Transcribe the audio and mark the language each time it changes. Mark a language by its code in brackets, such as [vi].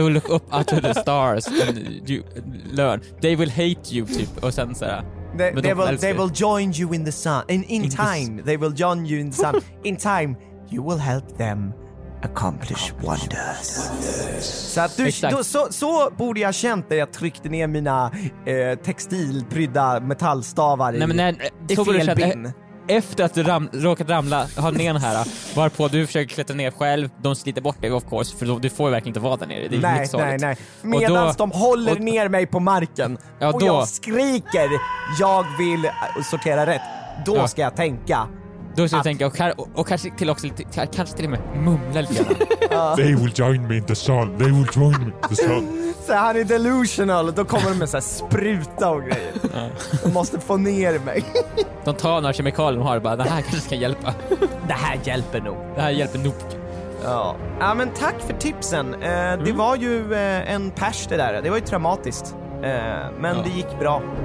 [en] will look up to the stars and you learn. They will hate you [sv] typ och sen så här. [en] They will join you in the sun. They will join you in the sun. In time, you will help them accomplish wonders. [sv] Så att du, så borde jag känt när jag tryckte ner mina textilprydda metallstavar. Nej, i fel bin. Efter att du råkat ramla har ner den här, varpå du försöker klättra ner själv. De sliter bort dig, [en] of course, [sv] för du får ju verkligen inte vara där nere. Det är nej. Medan de håller ner mig på marken och då, jag skriker jag vill sortera rätt. Då ska jag tänka. Då ska jag tänka och kanske till också lite, kanske till och med mumla lite. [en] They will join me in the sun. They will join me in the sun. [sv] Så han är delusional. Då kommer de med så här spruta och grejer. De måste få ner mig. De tar några kemikalier och har bara, det här kanske ska hjälpa. Det här hjälper nog. Det här hjälper nog. Ja, men tack för tipsen. Det var ju en pärs det där. Det var ju traumatiskt. Men det gick bra.